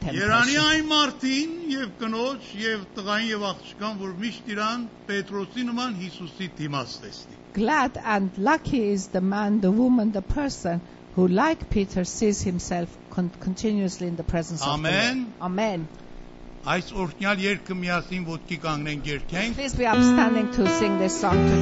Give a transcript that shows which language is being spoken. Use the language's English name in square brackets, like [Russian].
[English] temptation. Glad and lucky is the man, the woman, the person who, like Peter, sees himself continuously in the presence Amen. Of the Lord. Amen. [Armenian] Այս օրհնյալ երգը միասին ոտքի կանգնենք երգենք [English] Please be upstanding to sing this song to